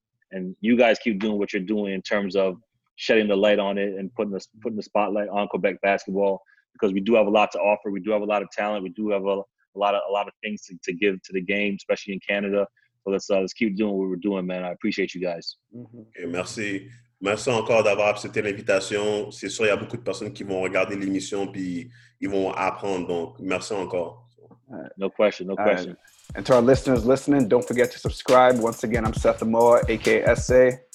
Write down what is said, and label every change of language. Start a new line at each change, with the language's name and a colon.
English: And you guys keep doing what you're doing in terms of shedding the light on it and putting the spotlight on Quebec basketball, because we do have a lot to offer. We do have a lot of talent. We do have a lot of things to give to the game, especially in Canada. So let's keep doing what we're doing, man. I appreciate you guys.
French: Mm-hmm. Okay, merci. Merci encore d'avoir accepté l'invitation. C'est sûr, il y a beaucoup de personnes qui vont regarder l'émission puis ils vont apprendre. Donc, merci encore.
English: Right. No question. Right. And to our listeners listening, don't forget to subscribe. Once again, I'm Seth Amoah, a.k.a. SA.